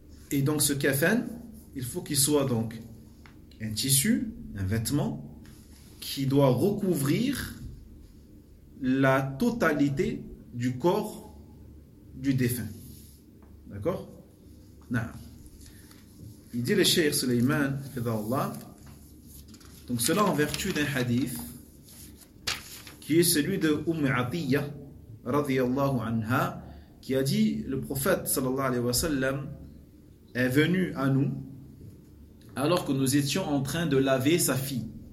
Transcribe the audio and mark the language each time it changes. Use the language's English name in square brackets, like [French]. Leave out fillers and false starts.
[French] Et donc ce kafan, il faut qu'il soit donc un tissu, un vêtement, qui doit recouvrir la totalité du corps du défunt. D'accord ? نعم. [Arabic] يدير الشيخ سليمان حفظه الله. [French] donc cela en vertu d'un hadith qui est celui de أم عطية [Arabic] رضي الله عنها [French] qui a dit le prophète [Arabic] صلى الله عليه وسلم [French] est venu à nous alors que nous étions en train de laver sa fille.